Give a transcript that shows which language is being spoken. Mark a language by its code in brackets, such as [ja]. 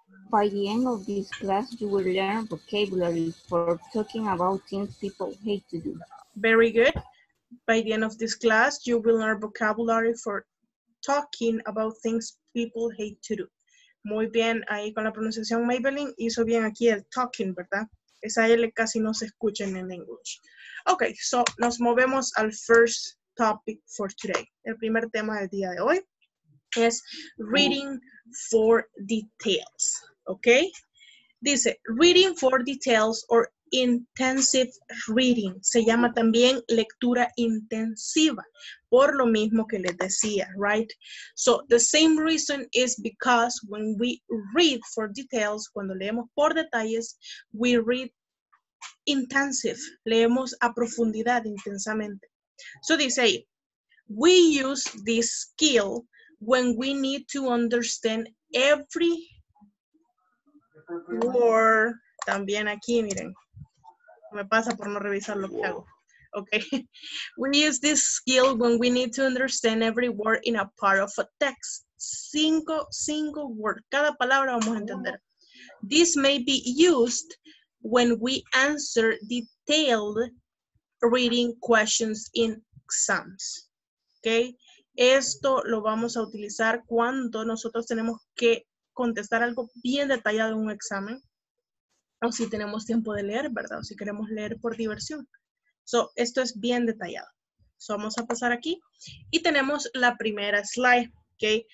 [en] By the end of this class, you will learn vocabulary for talking about things people hate to do. Very good. By the end of this class, you will learn vocabulary for talking about things people hate to do. [es] Muy bien, ahí con la pronunciación Maybelline, hizo bien aquí el talking, ¿verdad? Esa L casi no se escucha en English. Ok, so nos movemos al [en] first topic for today. [es] El primer tema del día de hoy es reading for details, ¿ok? [en] Dice, reading for details or intensive reading. [es] Se llama también lectura intensiva, por lo mismo que les decía, [en] right? So, the same reason is because when we read for details, [es] cuando leemos por detalles, [en] we read intensive. [es] Leemos a profundidad, intensamente. [en] So, [es] dice ahí, [en] we use this skill when we need to understand every word. [es] También aquí, miren. Me pasa por no revisar lo que hago. [en] Okay. We use this skill when we need to understand every word in a part of a text. Single word. [es] Cada palabra vamos a entender. [en] This may be used when we answer detailed reading questions in exams. Okay. [es] Esto lo vamos a utilizar cuando nosotros tenemos que contestar algo bien detallado en un examen. O si tenemos tiempo de leer, ¿verdad? O si queremos leer por diversión. So, esto es bien detallado. So, vamos a pasar aquí. Y tenemos la primera slide, ¿ok?